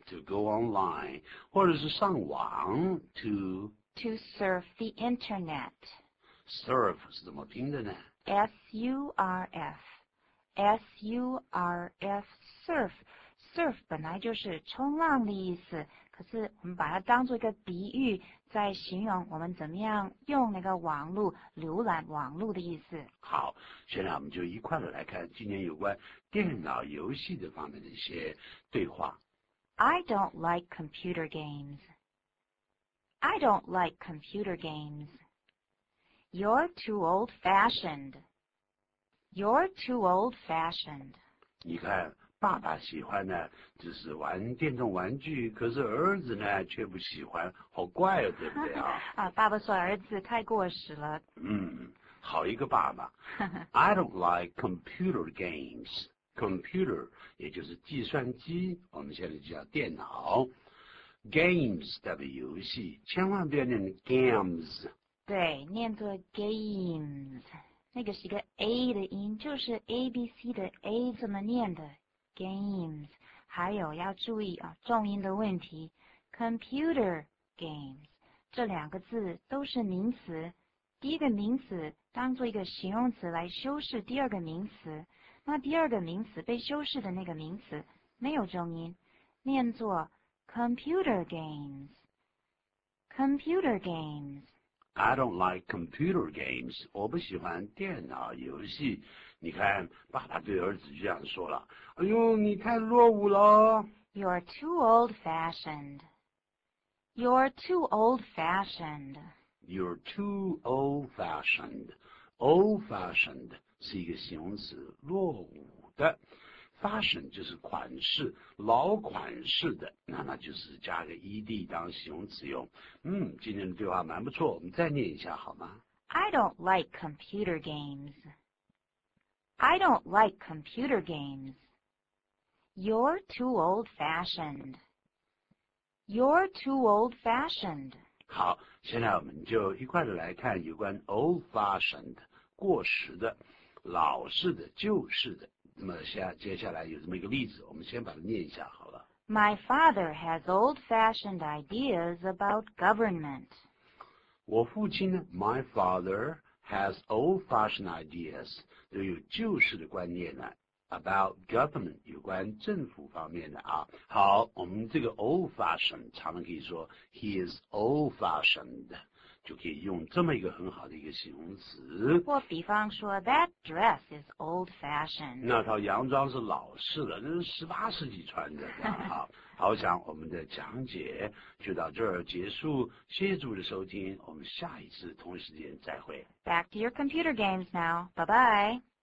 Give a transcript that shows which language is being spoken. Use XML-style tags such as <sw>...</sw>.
<en>To go online,</en> <zh>或者是上网</zh> <en>to... To surf the internet.</en> <zh>Surf 是怎么拼的呢</zh> <en>?S-U-R-F. S-U-R-F, surf.</en> <zh>Surf 本来就是冲浪的意思可是我们把它当作一个比喻在形容我们怎么样用那个网络浏览网络的意思。好，现在我们就一块来看今年有关电脑游戏的方面的一些对话。</zh> <en>I don't like computer games. I don't like computer games. You're too old-fashioned. You're too old-fashioned.</en> <zh>你看爸爸喜欢呢就是玩电动玩具可是儿子呢却不喜欢好怪哦对不对啊啊爸爸说儿子太过时了。好一个爸爸。</zh> <en>I don't like computer games.</en> <zh>Computer, 也就是计算机我们现在叫电脑。 Games, 代表游戏千万不要念 games。对念作 games。那个是一个 A 的音就是 ABC 的 A 怎么念的。 Games, 还有要注意啊，重音的问题。 Computer games, 这两个字都是名词。第一个名词当作一个形容词来修饰第二个名词，那第二个名词被修饰的那个名词没有重音，念作 computer games.</zh> <en>Computer games. I don't like computer games.</en> <zh>我不喜欢电脑游戏。你看，爸爸对儿子这样说了。哎呦，你太落伍了。</zh> <en>You're too old-fashioned. You're too old-fashioned. You're too old-fashioned.</en> <zh>Old-fashioned 是一个形容词，落伍的。 Fashion 就是款式，老款式的，那就是加个 ed 当形容词用。今天的对话蛮不错，我们再念一下好吗</zh> <en>？I don't like computer games. I don't like computer games. You're too old-fashioned. You're too old-fashioned.</en> <zh>好，现在我们就一块儿来看有关 old-fashioned 过时的、老式的、旧式的。那么接下来有这么一个例子，我们先把它念一下好了。</zh> <en>My father has old-fashioned ideas about government.</en> <zh>我父亲呢 ，</zh> <en>My father has old-fashioned ideas，</en> <zh>都有旧式的观念呢 ，</zh> <en>about government</en> <zh>有关政府方面的啊。好，我们这个 old-fashioned， 常常可以说</zh> <en>he is old-fashioned，</en> <zh>就可以用这么一个很好的一个形容词。或比方说</zh> <en>that dress is old-fashioned，</en> <zh>那套洋装是老式的，那是18世纪穿的。好，好，我想我们的讲解就到这儿结束，谢谢主的收听，我们下一次同时间再会。</zh> <en>Back to your computer games now. Bye bye.</en>